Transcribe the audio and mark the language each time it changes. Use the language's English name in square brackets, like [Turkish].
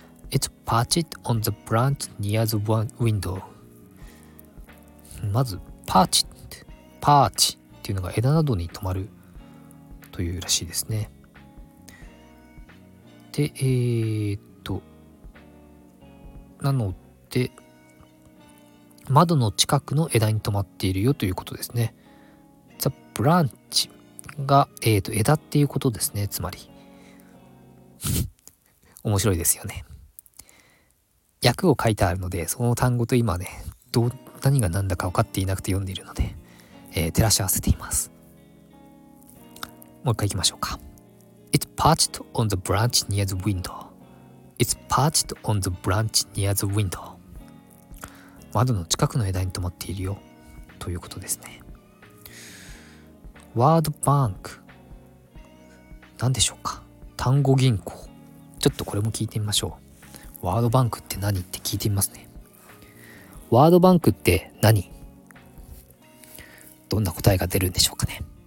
[English] It's perched on the branch near the window. [Japanese] まず perch っていうのが枝などに止まるというらしいですね。で、なので窓の近くの枝に止まっているよということですね。 The branch が、枝っていうことですね。つまり面白いですよね。訳を書いてあるので、その単語と今ね、何が何だか分かっていなくて読んでいるので、照らし合わせています。もう一回いきましょうか。 [English] It's perched on the branch near the window. It's perched on the branch near the window. [Japanese] 窓の近くの枝に止まっているよということですね。ワードバンク、何でしょうか。単語銀行、ちょっとこれも聞いてみましょう。ワードバンクって何って聞いてみますね。ワードバンクって何、どんな答えが出るんでしょうかね。